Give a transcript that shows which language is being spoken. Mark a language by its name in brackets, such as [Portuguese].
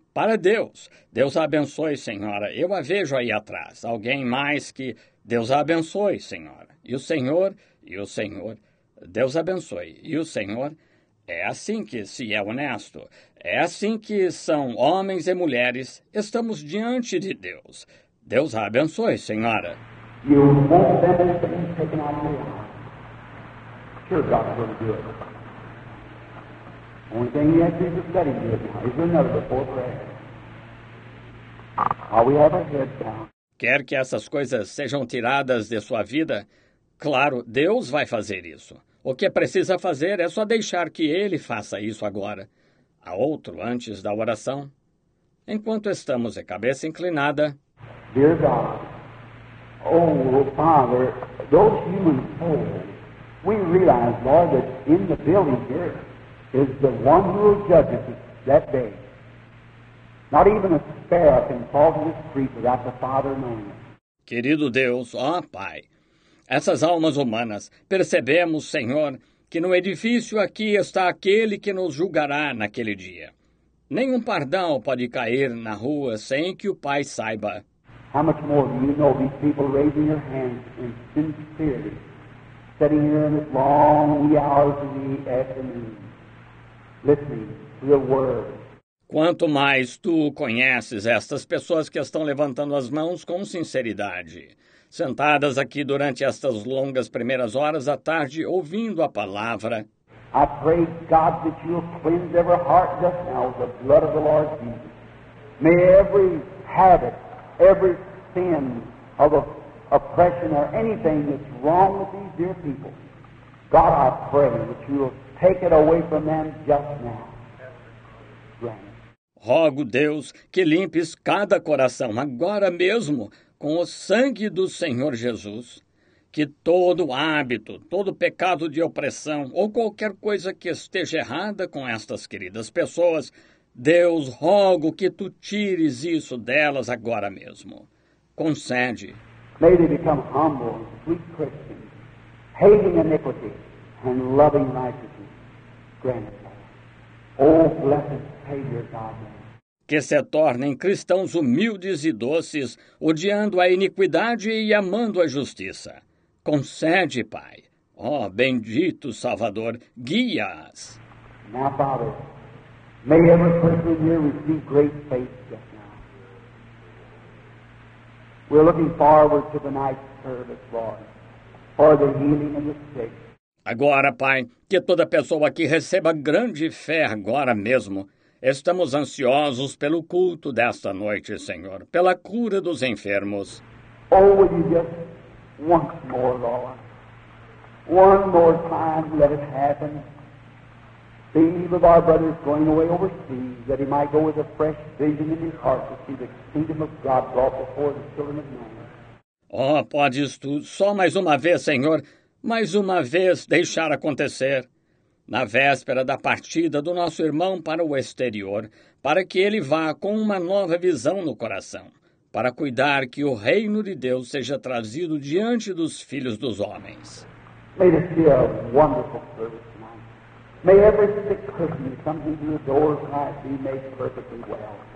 [Portuguese] Para Deus. Deus a abençoe, senhora. Eu a vejo aí atrás. Alguém mais que... Deus a abençoe, senhora. E o senhor? E o senhor? Deus abençoe. E o senhor? É assim que se é honesto. É assim que são homens e mulheres. Estamos diante de Deus. Deus a abençoe, senhora. [English] You won't let anything taken out of your heart. Sure, God's going to do it. The only thing he has to do is another before prayer. While we have our heads down. [Portuguese] Quer que essas coisas sejam tiradas de sua vida? Claro, Deus vai fazer isso. O que precisa fazer é só deixar que Ele faça isso agora. Há outro antes da oração. Enquanto estamos de cabeça inclinada. [English] Dear God, oh, Father, those human souls, we realize, Lord, that in the building here is the one who will judge us that day. Not even a sparrow can fall to the street without the Father knowing it. [Portuguese] Querido Deus, ó Pai, essas almas humanas, percebemos, Senhor, que no edifício aqui está aquele que nos julgará naquele dia. Nenhum pardal pode cair na rua sem que o Pai saiba. [English] How much more do you know these people raising their hands in sincerity, sitting here in this long hours of the afternoon, listening to the word? [Portuguese] Quanto mais tu conheces estas pessoas que estão levantando as mãos com sinceridade, sentadas aqui durante estas longas primeiras horas à tarde, ouvindo a palavra. [English] I pray, God, that you will cleanse every heart just now with the blood of the Lord Jesus. May every habit, every sin of oppression or anything that's wrong with these dear people, God, I pray that you will take it away from them just now. [Portuguese] Rogo, Deus, que limpes cada coração agora mesmo com o sangue do Senhor Jesus. Que todo hábito, todo pecado de opressão ou qualquer coisa que esteja errada com estas queridas pessoas, Deus, rogo que tu tires isso delas agora mesmo. Concede. [English] May they become humble and sweet Christians, hating iniquity and loving righteousness. Grant it. Oh, blessed Savior God. [Portuguese] Que se tornem cristãos humildes e doces, odiando a iniquidade e amando a justiça. Concede, Pai. Ó, bendito Salvador, guia-as. [English] Now, Father, may every person here receive great faith just now. We're looking forward to the night service, Lord, for the healing of the sick. [Portuguese] Agora, Pai, que toda pessoa aqui receba grande fé agora mesmo. Estamos ansiosos pelo culto desta noite, Senhor, pela cura dos enfermos. [English] Oh, will you just once more, Lord? One more time, let it happen. The eve of our brother is going away overseas, that he might go with a fresh vision in his heart to see the kingdom of God brought before the children of men. [Portuguese] Oh, podes tu só mais uma vez, Senhor, mais uma vez deixar acontecer. Na véspera da partida do nosso irmão para o exterior, para que ele vá com uma nova visão no coração, para cuidar que o reino de Deus seja trazido diante dos filhos dos homens. [English] May this be a wonderful service tonight. May every sick person coming to the door of Christ be made perfectly well.